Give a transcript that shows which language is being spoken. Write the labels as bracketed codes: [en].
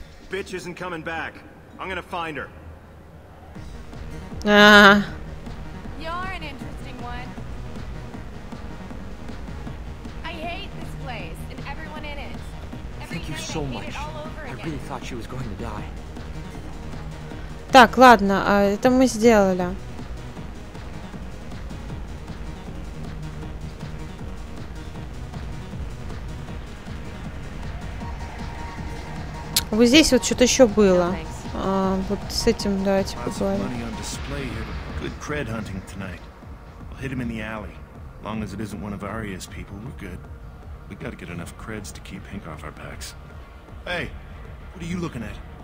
[en] Bitch isn't coming back. I'm gonna find her. Ah. You're an interesting one. I hate this place and everyone in it. Thank you so much. I really thought she was going to die. [ru] Так, ладно, а это мы сделали. Вот здесь вот что-то еще было. А, вот с этим давайте поговорим. [en] We'll hit him in the alley. Long as it isn't one of Arya's people, we're good. We gotta get enough creds to keep Hink off our backs. Hey, what are you looking at?